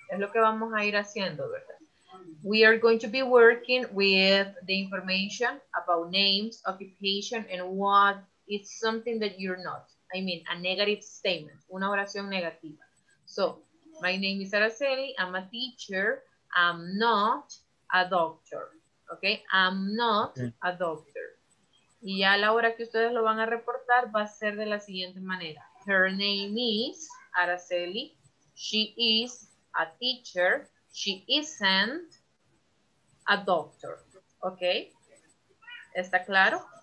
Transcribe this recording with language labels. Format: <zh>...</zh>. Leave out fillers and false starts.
<es>Es lo que vamos a ir haciendo, ¿verdad?</es> <en>We are going to be working with the information about names, occupation, and what is something that you're not. I mean, a negative statement.</en> <es>Una oración negativa.</es> <en>So, my name is Araceli, I'm a teacher, I'm not a doctor, okay? I'm not a doctor.</en> <es>Y ya la hora que ustedes lo van a reportar va a ser de la siguiente manera.</es> <en>Her name is Araceli, she is a teacher, she isn't a doctor, okay?</en> <es>¿Está claro?</es>